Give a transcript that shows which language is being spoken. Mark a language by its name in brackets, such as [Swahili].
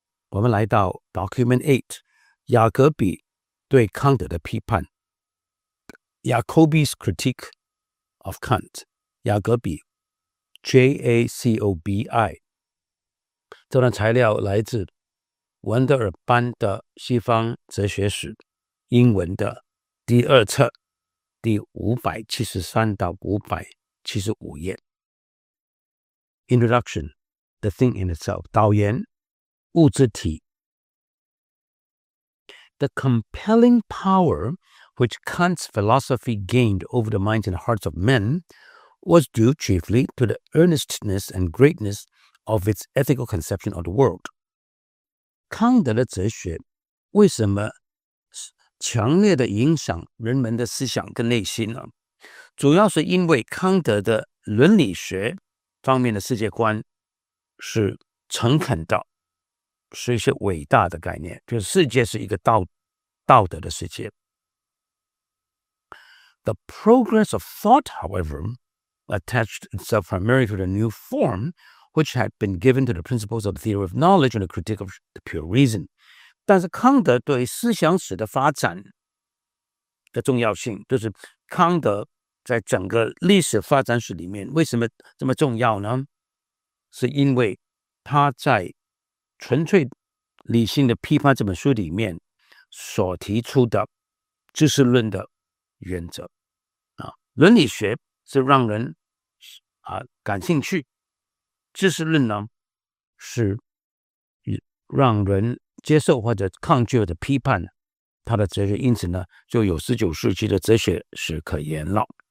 [Chinese] 我们来到 Document 8, 雅各比对康德的批判。 [English] Jacobi's Critique of Kant, 雅各比 J-A-C-O-B-I。 [Chinese] 这段材料来自文德尔班的西方哲学史。英文的第二册第573-575页 [English] Introduction The Thing in Itself [Chinese] 导言物质体 [English] The compelling power which Kant's philosophy gained over the minds and hearts of men was due chiefly to the earnestness and greatness of its ethical conception of the world. [Chinese] 康德的哲学为什么强烈的影响人们的思想跟内心呢？主要是因为康德的伦理学方面的世界观是诚恳道，是一些伟大的概念，就是世界是一个道德的世界。 [English] The progress of thought, however, attached itself primarily to the new form which had been given to the principles of the theory of knowledge and the critique of the pure reason. [Chinese] 但是康德对思想史的发展的重要性，就是康德在整个历史发展史里面为什么这么重要呢？是因为他在《纯粹理性的批判》这本书里面所提出的知识论的原则啊，伦理学是让人啊感兴趣，知识论呢是让人接受或者抗拒或者批判他的哲学，因此呢就有十九世纪的哲学史可言了。